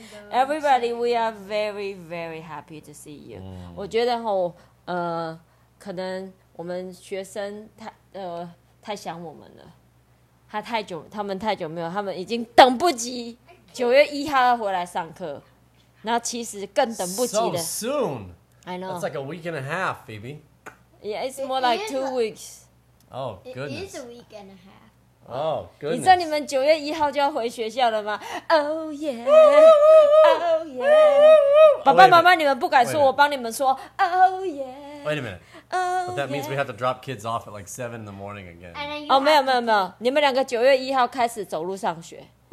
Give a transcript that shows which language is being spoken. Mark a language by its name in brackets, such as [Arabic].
[English] Everybody, we are very, very happy to see you. Mm. [Chinese] 我觉得可能我们学生太想我们了，他们太久没有，他们已经等不及9月1号要回来上课，那其实更等不及的。 [English] So soon. I know. That's like a week and a half, Phoebe. Yeah, it's more like two weeks. Oh, goodness. It is a week and a half. Oh, goodness. [Chinese] 你知道你们9月1号就要回学校了吗 ？ [English] Oh yeah, oh yeah. [Chinese] 爸爸妈妈，你们不敢说，我帮你们说。 [English] Oh yeah. Wait a minute. Oh, but that means we have to drop kids off at like 7 in the morning again. [Chinese] Oh, 没有没有没有，你们两个九月一号开始走路上学。